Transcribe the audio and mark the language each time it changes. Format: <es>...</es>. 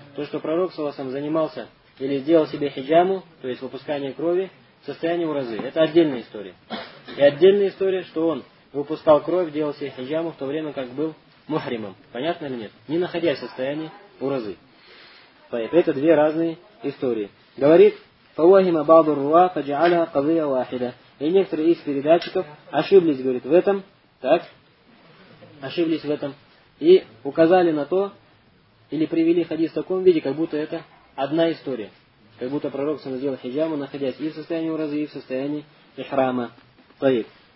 <ru>То, что пророк, саллаллаху алейхи ва саллям, занимался или сделал себе хиджаму, то есть выпускание крови, в состоянии уразы. Это отдельная история. И отдельная история, что он выпускал кровь, делал себе хиджаму в то время, как был мухримом. Понятно или нет? Не находясь в состоянии уразы. Это две разные истории.</ru> <ar>Говорит, فَوَهِمَ بَعْضُ الرُّوَا فَجَعَلَهَا قَضِيَ وَاحِدَ.</ar> <ru>И некоторые из передатчиков ошиблись, говорит, в этом. Так? Ошиблись в этом. И указали на то, или привели хадис в таком виде, как будто это одна история. Как будто пророк сам сделал хиджаму, находясь и в состоянии уразы, и в состоянии ихрама. Таиб.</ru>